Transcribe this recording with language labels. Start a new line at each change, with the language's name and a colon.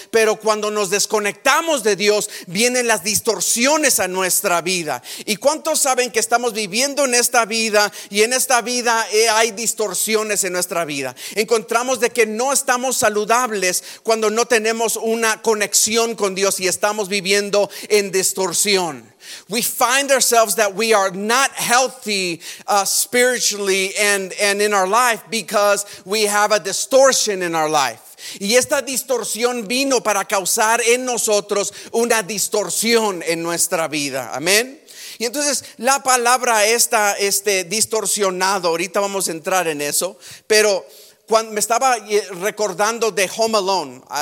Spanish: Pero cuando nos desconectamos de Dios, vienen las distorsiones a nuestra vida. ¿Y cuántos saben que estamos viviendo en esta vida? Y en esta vida hay distorsiones en nuestra vida. Encontramos de que no estamos saludables cuando no tenemos una conexión con Dios y estamos viviendo en distorsión.
English: We find ourselves that we are not healthy spiritually and in our life because we have a distortion in our life.
Spanish: Y esta distorsión vino para causar en nosotros una distorsión en nuestra vida. Amén. Y entonces la palabra esta, distorsionado, ahorita vamos a entrar en eso, pero cuando me estaba recordando de Home Alone.